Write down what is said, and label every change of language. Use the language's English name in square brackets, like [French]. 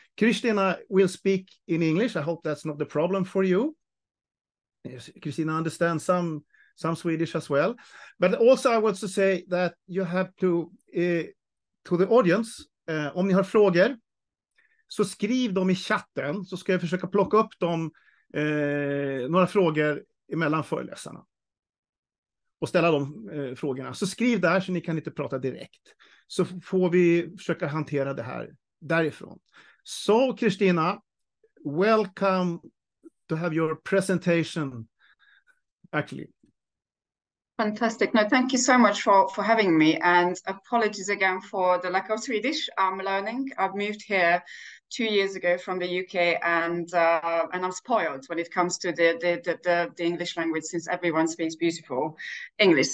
[English] Kristina will speak in English. I hope that's not the problem for you. Kristina understands some Swedish as well. But also I want to say that you have to the audience, [Swedish] om ni har frågor, så skriv dem i chatten så ska jag försöka plocka upp dem, några frågor emellan föreläsarna. Och ställa de frågorna. Så skriv där så ni kan inte prata direkt. Så får vi försöka hantera det här därifrån. [English] So, Christina, welcome to have your presentation, actually. Fantastic. No, thank you so much for having me. And apologies again for the lack of Swedish. I'm learning. I've moved here 2 years ago from the UK, and I'm spoiled when it comes to the English language, since everyone speaks beautiful English.